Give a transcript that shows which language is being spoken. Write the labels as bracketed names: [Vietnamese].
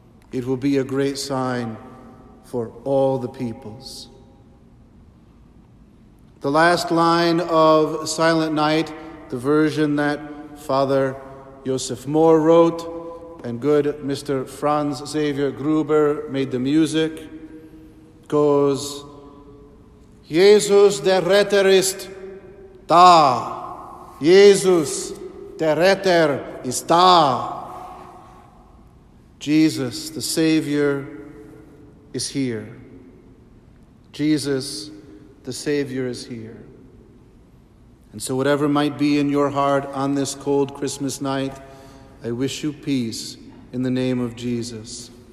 [English] It will be a great sign for all the peoples." The last line of Silent Night, the version that Father Joseph Moore wrote and good Mr. [German] Franz Xaver Gruber [English] made the music, goes, [German] "Jesus, der Retter ist da. Jesus, der Retter ist da." [English] Jesus, the Savior, is here. Jesus, the Savior, is here. And so whatever might be in your heart on this cold Christmas night, I wish you peace in the name of Jesus.